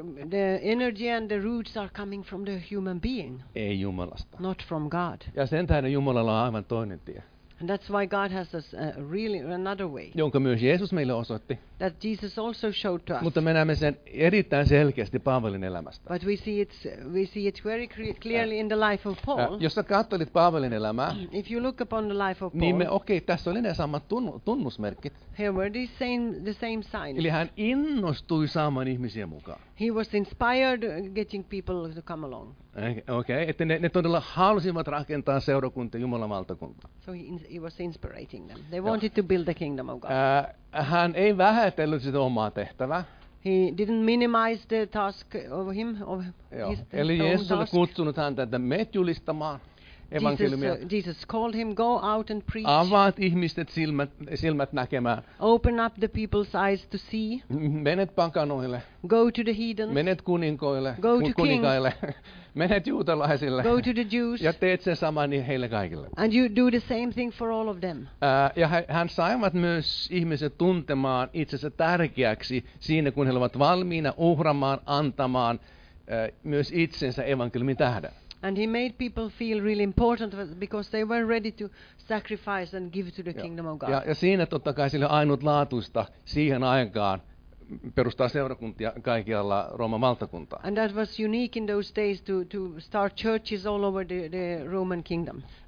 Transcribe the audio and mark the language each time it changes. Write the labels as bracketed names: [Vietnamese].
[English] The energy and the roots are coming from the human being. [Finnish] Ei Jumalasta. [English] Not from God. [Finnish] Ja sen tähden Jumalalla on aivan toinen tie. [English] And that's why God has us really another way. [Finnish] Jonka myös Jeesus meille osoitti. [English] That Jesus also showed to us. [Finnish] Mutta me näemme sen erittäin selkeästi Paavalin elämästä. [English] But we see it very clearly in the life of Paul. [Finnish] Jos sä katsoit Paavalin elämää. [English] If you look upon the life of Paul. [Finnish] Niin me tässä oli ne samat tunnusmerkit. [English] Here were the same signs. [Finnish] Eli hän innostui saamaan ihmisiä mukaan. [English] He was inspired getting people to come along. [Finnish] Okei, että ne todella halusivat rakentaa seurakuntaa Jumalan valtakuntaa. [English] So he was inspiring them. They wanted to build the kingdom of God. [Finnish] Hän ei vähätellyt sitä omaa tehtävää. [English] He didn't minimize the task of him. Of his [Finnish] eli Jeesus oli kutsunut häntä, että menet julistamaan evankeliumia. [English] Jesus called him, go out and preach. [Finnish] Avaat ihmiset silmät näkemään. [English] Open up the people's eyes to see. [Finnish] Menet pakanoille. [English] Go to the heathens. [Finnish] Menet kuninkoille. [English] Go to [Finnish] kuninkaille. Menet juutalaisille. [English] Go to the Jews. [Finnish] Ja teet sen saman heille kaikille. [English] And you do the same thing for all of them. [Finnish] Ja hän saivat myös ihmiset tuntemaan itsensä tärkeäksi siinä, kun he ovat valmiina uhramaan, antamaan myös itsensä evankeliumin tähden. [English] And he made people feel really important because they were ready to sacrifice and give to the kingdom of God. [Finnish] Ja siinä totta kai sille ainutlaatuista siihen aikaan perustaa seurakuntia kaikkialla Rooman valtakuntaa. [English] And that was unique in those days to start churches all over the Roman kingdom.